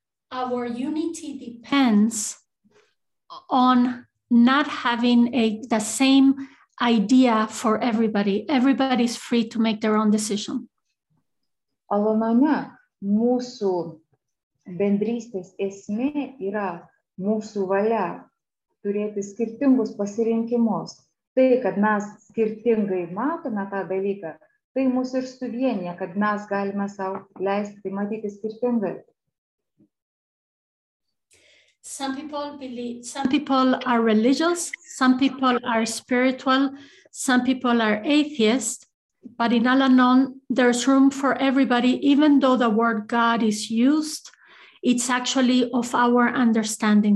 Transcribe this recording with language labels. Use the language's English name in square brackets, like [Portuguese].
[English] our unity depends on not having the same idea for everybody. Everybody is free to make their own decision. [Lithuanian] Al-Anone, mūsų bendrystės esmė yra mūsų valia turėti skirtingus pasirinkimus. Tai, kad mes skirtingai matome tą dalyką, tai mus ir suvienia, kad mes galime sau leisti matyti skirtingai. [English] Some people are religious, some people are spiritual, some people are atheist, but in Al-Anon there's room for everybody, even though the word God is used, it's actually of our understanding.